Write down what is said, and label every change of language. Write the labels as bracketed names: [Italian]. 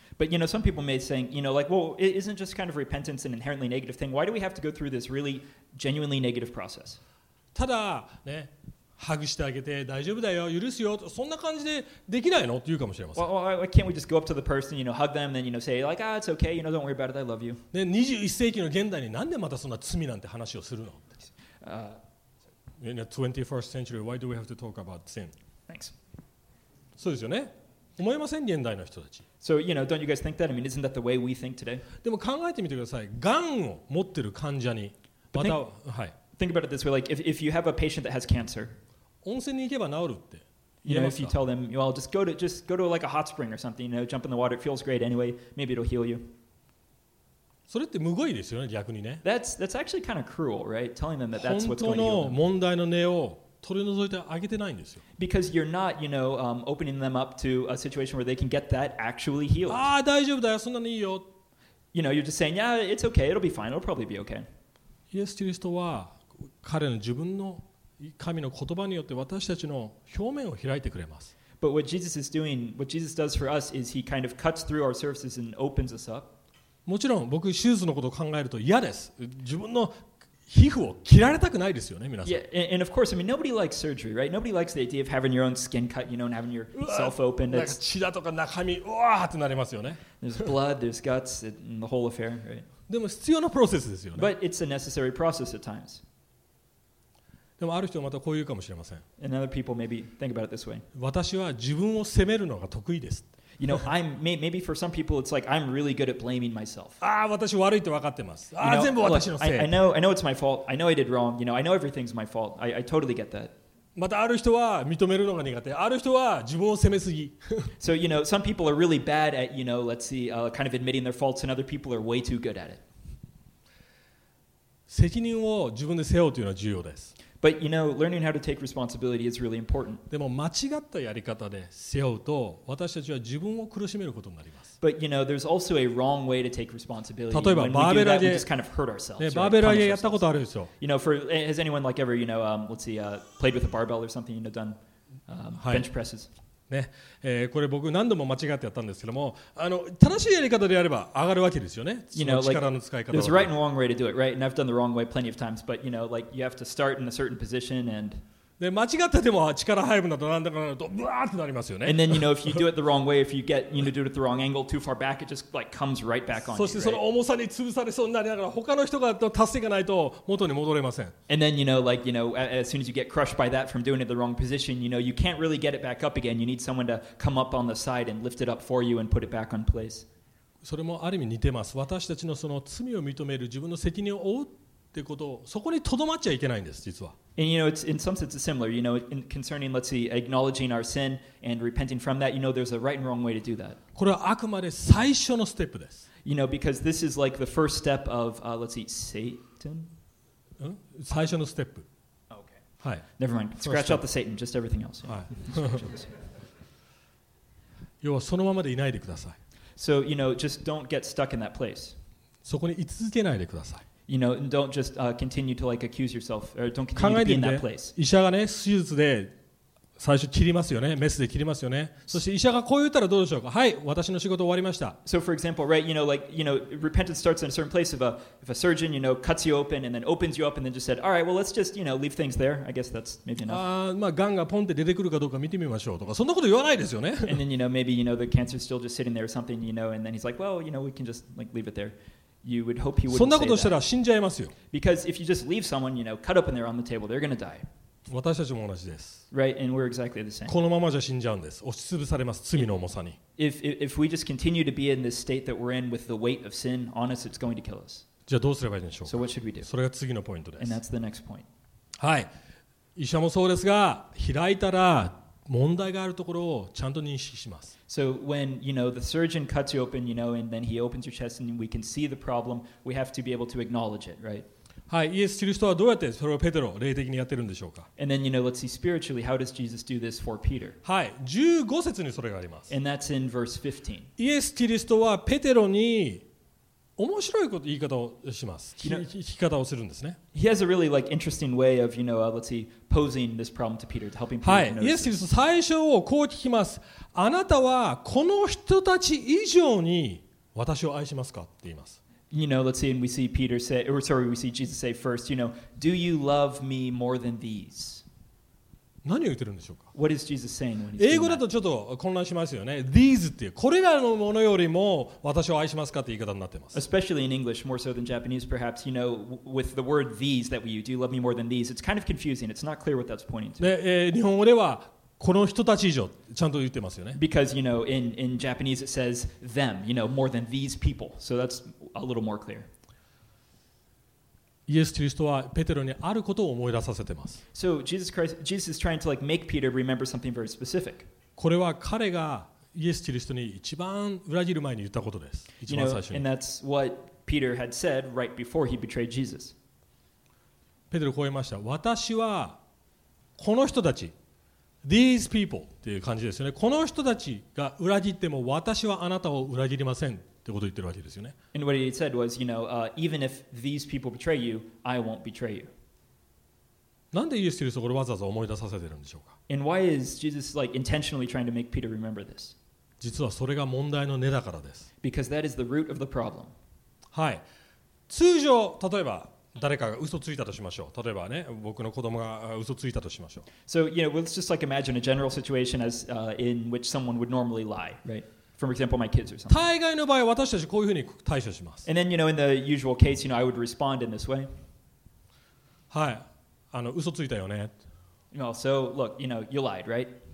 [English] But you know, some people may think, you know, like, well, it isn't just kind of repentance an inherently negative thing? Why do we have to go through this really genuinely negative process? [Japanese] ただね、ハグしてあげて大丈夫だよ、許すよ、そんな感じでできないのって言うかもしれません。 [English] Well, can't we just go up to the person, you know, hug them, then, you know, say like, ah, it's okay, you know, don't worry about it, I love you. [Japanese] で、21世紀の現代になんでまたそんな罪なんて話をするの? [English] In the 21st century, why do we have to talk about sin? Thanks. [Japanese] そうですよね。思いません、現代の人たち。 [English] So, you know, don't you guys think that? I mean, isn't that the way we think today? [Japanese] でも考えてみてください。がんを持ってる患者に、また、はい。 [English] Think about it this way, like, if you have a patient that has cancer, [Japanese] 温泉に行けば治るって。 [English] You know, if you tell them, well, just go to like a hot spring or something, you know, jump in the water, it feels great anyway, maybe it'll heal you. [Japanese] それってむごいですよね、逆にね。 [English] That's actually kind of cruel, right? Telling them that that's what's going [Japanese] 本当の問題の根を、取り除いてあげてないんですよ。 [English] Because you're not, you know, opening them up to a situation where they can get that actually healed. [Japanese] ああ、大丈夫だよ、そんなにいいよ。 [English] You know, you're just saying, yeah, it's okay, it'll be fine, it'll probably be okay. [Japanese] イエス・キリストは彼の自分の神の言葉によって私たちの表面を開いてくれます。 [English] But what Jesus is doing, what Jesus does for us is he kind of cuts through our surfaces and opens us up. [Japanese] もちろん僕、手術のことを考えると嫌です。自分の皮膚を切られたくないですよね、皆さん。 [English] Yeah, and of course, I mean, nobody likes surgery, right? Nobody likes the idea of having your own skin cut, you know, and having yourself opened. It's [Japanese] 血だとか中身、うわーってなりますよね。 [English] There's blood, there's guts, and the whole affair, right? [Japanese] でも必要なプロセスですよね。 [English] But it's a necessary process at times. [Japanese] でもある人はまたこう言うかもしれません。 [English] And other people maybe think about it this way. [Japanese] 私は自分を責めるのが得意です。 [English] You know, maybe for some people it's like I'm really good at blaming myself. [Japanese] ああ、私悪いって分かってます。ああ、 [English] you know, [Japanese] 全部私のせい。 [English] Look, I know it's my fault. I know I did wrong. You know, I know everything's my fault. I totally get that. [Japanese] またある人は認めるのが苦手。ある人は自分を責めすぎ。 [English] So, you know, some people are really bad at, you know, let's see, kind of admitting their faults, and other people are way too good at it. [Japanese] 責任を自分で背負うというのは重要です。 [English] But you know, learning how to take responsibility is really important. [Japanese] でも間違ったやり方で背負うと、私たちは自分を苦しめることになります。 [English] But you know, there's also a wrong way to take responsibility. [Japanese] 例えばバーベラで、 [English] we just kind of hurt ourselves. [Japanese] ね、 [English] right? [Japanese] バーベラでやったことあるでしょ。 [English] You know, for has anyone like ever, you know, let's see, played with a barbell or something, you know, done bench presses? [Japanese] ね、これ僕何度も間違ってやったんですけども、正しいやり方でやれば上がるわけですよね。 [English] You know, [Japanese] その力の使い方は。 [English] There's right and wrong way to do it, right? And I've done the wrong way plenty of times, but you know, like you have to start in a certain position and [Japanese] で間違ってても力入るなどなんだかなとブワーってなりますよね。 [English] And then you know if you do it the wrong way, if you get you know do it the wrong angle, too far back, it just like comes right back on. [Japanese] そしてその重さに潰されそうになりながら他の人が助けがないと元に戻れません。 [English] And then you know like you know as soon as you get crushed by that from doing it the wrong position, you know you can't really get it back up again. You need someone to come up on the side and lift it up for you and put it back on place. [Japanese] それもある意味似てます。私たちのその罪を認める自分の責任を負うってことをそこに留まっちゃいけないんです実は。 [English] And you know, it's in some sense similar. You know, in concerning, let's see, acknowledging our sin and repenting from that, you know, there's a right and wrong way to do that. [Japanese] これはあくまで最初のステップです。 [English] You know, because this is like the first step of, let's see, Satan? [Japanese] 最初のステップ。 [English] Okay. [Japanese] はい。 [English] Never mind. Scratch out the Satan, just everything else. [Japanese] はい。要はそのままでいないでください。 [English] So, you know, just don't get stuck in that place. [Japanese] そこに居続けないでください。 [English] You know, and don't just continue to like accuse yourself, or don't continue to be in that place. [Japanese] 医者がね、手術で最初切りますよね、メスで切りますよね。そして医者がこう言ったらどうでしょうか。はい、私の仕事終わりました。 [English] So for example, right, you know, like, you know, repentance starts in a certain place if a surgeon, you know, cuts you open and then opens you up and then just said, all right, well, let's just, you know, leave things there. I guess that's maybe enough. [Japanese] まあ、癌がポンって出てくるかどうか見てみましょうとか、そんなこと言わないですよね。 [English] And then, you know, maybe, you know, the cancer is still just sitting there or something, you know, and then he's like, well, you know, we can just like leave it there. You would hope he [Japanese] そんなことしたら死んじゃいますよ。 [English] Because if you just leave someone, you know, cut open there on the table, they're gonna die. [Japanese] 私たちも同じです。 [English] Right, and we're exactly the same. [Japanese] このままじゃ死んじゃうんです。押し潰されます。罪の重さに。 [English] If we just continue to be in this state that we're in with the weight of sin on us, it's going to kill us. [Japanese] じゃあどうすればいいんでしょうか。 [English] So what should we do? [Japanese] それが次のポイントです。 [English] And that's the next point. [Japanese] はい。医者もそうですが、開いたら問題があるところをちゃんと認識します。 [English] So when you know the surgeon cuts you open, you know, and then he opens your chest, and we can see the problem, we have to be able to acknowledge it, right? [Japanese] はい、イエス・キリストはどうやってそれをペテロ霊的にやってるんでしょうか。 [English] And then you know, let's see spiritually, how does Jesus do this for Peter? [Japanese] はい、15節にそれがあります。 [English] And that's in verse 15. [Japanese] イエス・キリストはペテロに面白いこと言い方をします。聞き方をするんですね。 [English] He has a really like interesting way of, you know, let's see, posing this problem to Peter, helping Peter notice. [Japanese] はい、イエス・キリスト最初をこう聞きます。あなたはこの人たち以上に私を愛しますかって言います。 [English] You know, let's see, and we see Peter say, or sorry, we see Jesus say first, you know, do you love me more than these? [Japanese] 何を言ってるんでしょうか。 [English] What is Jesus saying when he's saying that? [Japanese] 英語だとちょっと混乱しますよね。 These っていうこれらのものよりも私を愛しますかって言い方になってます。 [English] Especially in English, more so than Japanese, perhaps, you know, with the word these that we use, do you love me more than these? It's kind of confusing. It's not clear what that's pointing to. [Japanese] で、日本語ではこの人たち以上ちゃんと言ってますよね。 [English] Because you know, in Japanese it says them, you know, more than these people. So that's a little more clear. [Japanese] イエス・キリストはペテロにあることを思い出させてます。 [English] So Jesus Christ, Jesus is trying to like make Peter remember something very specific. [Japanese] これは彼がイエス・キリストに一番裏切る前に言ったことです。一番最初に。 [English] You know, and that's what Peter had said right before he betrayed Jesus. [Japanese] ペテロこう言いました。私はこの人たち。 [English] These people [Japanese] っていう感じですよね。この人たちが裏切っても私はあなたを裏切りませんってことを言ってるわけですよね。 [English] And what he said was, you know, even if these people betray you, I won't betray you. [Japanese] なんでイエス・キリストをわざわざ思い出させてるんでしょうか。 [English] And why is Jesus like intentionally trying to make Peter remember this? [Japanese] 実はそれが問題の根だからです。 [English] Because that is the root of the problem. [Japanese] はい。通常、例えば、誰かが嘘ついたとしましょう。例えばね、僕の子供が嘘ついたとしましょう。 [English] So, you know, let's just like imagine a general situation as, in which someone would normally lie, right? For example, my kids or something. [Japanese] 大概の場合、私たちこういうふうに対処します。 [English] And then, you know, in the usual case, you know, I would respond in this way. [Japanese] はい。嘘ついたよね。 [English] Well, so, look, you know, you lied, right?